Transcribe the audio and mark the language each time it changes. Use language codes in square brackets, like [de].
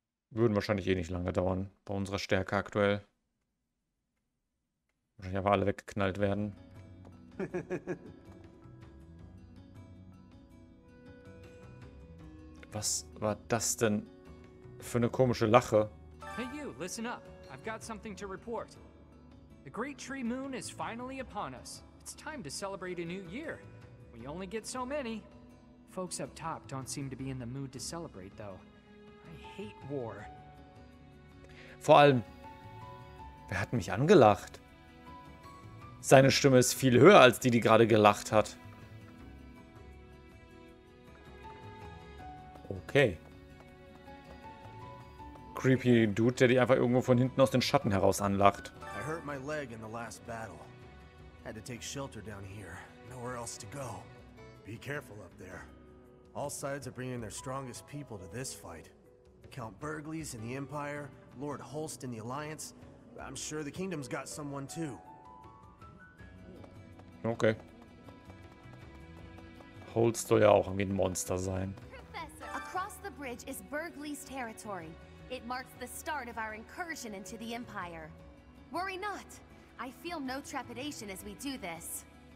[de] Würden wahrscheinlich eh nicht lange dauern bei unserer Stärke aktuell. Wahrscheinlich aber alle weggeknallt werden. Was war das denn für eine komische Lache? [en] Hey you, listen up. I've got something to report. The Great Tree Moon is finally upon us. It's time to celebrate a new year. We only get so many. Folks up top don't seem to be in the mood to celebrate, though. I hate war. [de] Vor allem, wer hat mich angelacht? Seine Stimme ist viel höher als die, die gerade gelacht hat. Okay. Creepy Dude, der dich einfach irgendwo von hinten aus den Schatten heraus anlacht. [en] I hurt my leg in the last battle. Had to take shelter down here. Nowhere else to go. Be careful up there. All sides are bringing their strongest people to this fight. Count Burgles in the Empire, Lord Holst in the Alliance. I'm sure the Kingdom's got someone too. Okay. [de] Holst soll ja auch irgendwie ein Monster sein. [en] Professor, across the bridge is Burgley's territory. It marks the start of our incursion into the Empire. Worry not. I feel no trepidation as we do this.